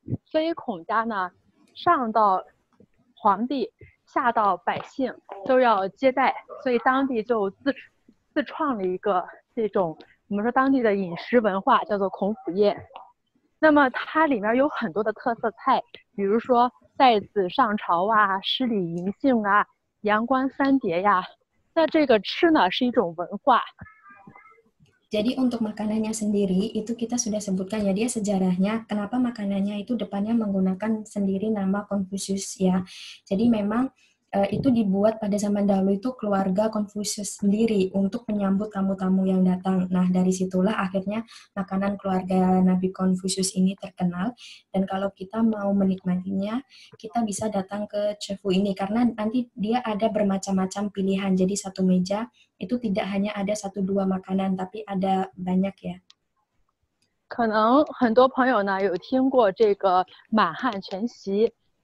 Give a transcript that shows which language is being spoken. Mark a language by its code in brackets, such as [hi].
[id] Jadi Kongjia, [zh] 上到皇帝, 下到百姓, 都要接待, 所以当地就自创了一个这种 我们说当地的饮食文化叫做孔府宴，那么它里面有很多的特色菜，比如说在子上朝啊、诗礼迎信啊、阳关三叠呀。那这个吃呢是一种文化。 [id] Jadi untuk makanannya sendiri, itu kita sudah sebutkan ya, dia sejarahnya, kenapa makanannya itu depannya menggunakan sendiri nama Konfusius ya. Jadi memang itu dibuat pada zaman dahulu itu keluarga Konfusius sendiri untuk menyambut tamu-tamu yang datang. Nah, dari situlah akhirnya makanan keluarga Nabi Konfusius ini terkenal. Dan kalau kita mau menikmatinya, kita bisa datang ke Cefu ini. Karena nanti dia ada bermacam-macam pilihan. Jadi satu meja itu tidak hanya ada satu dua makanan, tapi ada banyak ya. [zh] 可能很多朋友呢有听过这个满汉全席。